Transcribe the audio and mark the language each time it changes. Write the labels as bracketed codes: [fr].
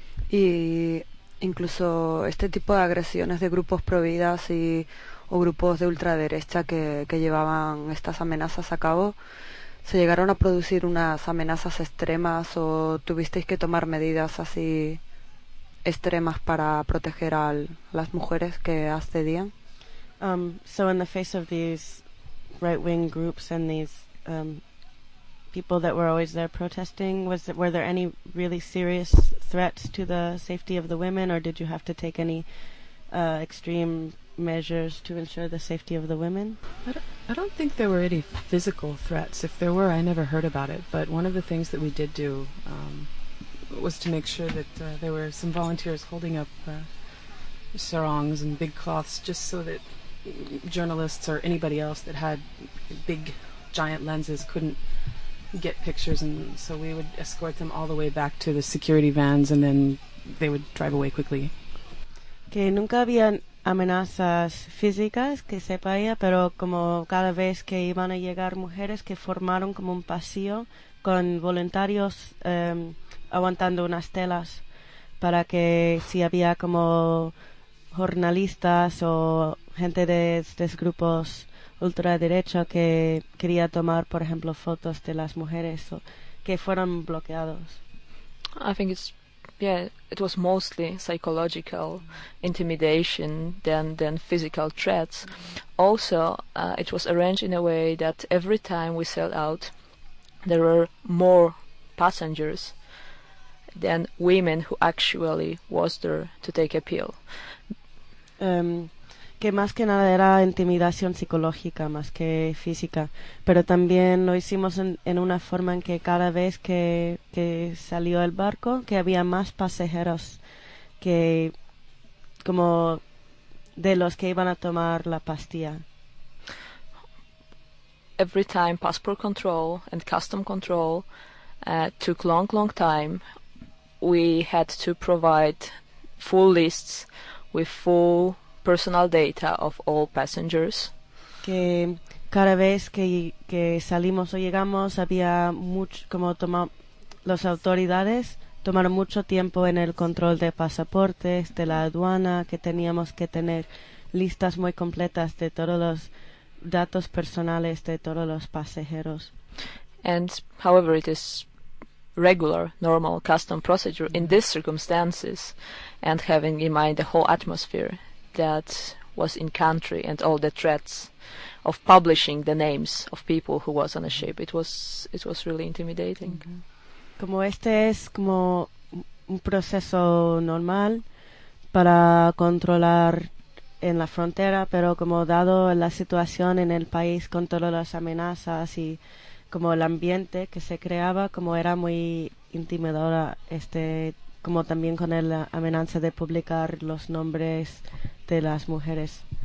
[es] Y incluso este tipo de agresiones de grupos pro vida o grupos de ultraderecha que llevaban estas amenazas a cabo, ¿se llegaron a producir unas amenazas extremas o tuvisteis que tomar medidas así extremas para proteger a las mujeres que accedían? [en] So in the face of these right-wing groups and these people that were always there protesting, were there any really serious threats to the safety of the women, or did you have to take any extreme measures to ensure the safety of the women? I don't think there were any physical threats. If there were, I never heard about it. But one of the things that we did do was to make sure that there were some volunteers holding up sarongs and big cloths, just so that journalists or anybody else that had big, giant lenses couldn't get pictures. And so we would escort them all the way back to the security vans, and then they would drive away quickly. [es] Que nunca habían amenazas físicas que sepa ella, pero como cada vez que iban a llegar mujeres que formaron como un pasillo con voluntarios aguantando unas telas para que si había como jornalistas o gente de estos grupos ultraderecha que quería tomar, por ejemplo, fotos de las mujeres, o que fueron bloqueados. [en] I think it's it was mostly psychological intimidation than physical threats. Also, it was arranged in a way that every time we sell out, there were more passengers than women who actually was there to take a pill. [es] Que más que nada era intimidación psicológica más que física, pero también lo hicimos en una forma en que cada vez que salió el barco, que había más pasajeros que como de los que iban a tomar la pastilla. [en] Every time passport control and custom control took long time, we had to provide full lists with full personal data of all passengers. [es] Que cada vez que salimos o llegamos había mucho, como las autoridades tomaron mucho tiempo en el control de pasaportes, de la aduana, que teníamos que tener listas muy completas de todos los datos personales de todos los pasajeros. [en] And however it is regular, normal custom procedure in these circumstances, and having in mind the whole atmosphere that was in country and all the threats of publishing the names of people who was on a ship, it was really intimidating. Mm-hmm. [es] Como este es como un proceso normal para controlar en la frontera, pero como dado la situación en el país con todas las amenazas y como el ambiente que se creaba, como era muy intimidadora como también con la amenaza de publicar los nombres de las mujeres.